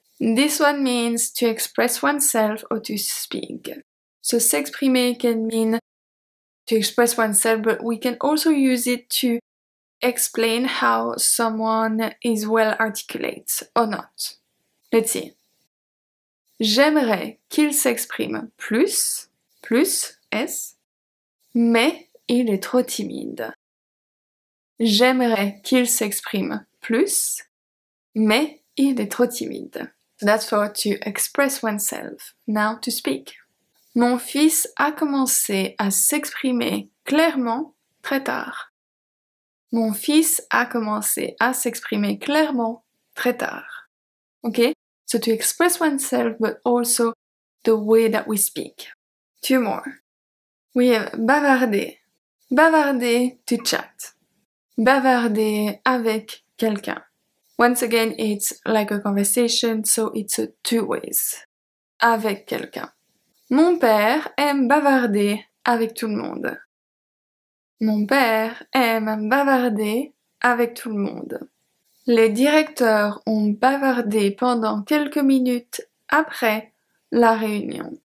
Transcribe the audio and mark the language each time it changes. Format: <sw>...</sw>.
<en>This one means to express oneself or to speak. So s'exprimer can mean to express oneself, but we can also use it to explain how someone is well articulate or not. Let's see.</en> <fr>J'aimerais qu'il s'exprime plus, S, mais il est trop timide. J'aimerais qu'il s'exprime plus, mais il est trop timide.</fr> <en>So that's for to express oneself. Now to speak.</en> <fr>Mon fils a commencé à s'exprimer clairement très tard. Mon fils a commencé à s'exprimer clairement très tard.</fr> <en>Ok? So to express oneself, but also the way that we speak. Two more. We have bavarder. Bavarder to chat.</en> <fr>Bavarder avec quelqu'un.</fr> <en>Once again, it's like a conversation, so it's a two ways.</en> <fr>Avec quelqu'un. Mon père aime bavarder avec tout le monde. Mon père aime bavarder avec tout le monde. Les directeurs ont bavardé pendant quelques minutes après la réunion.</fr>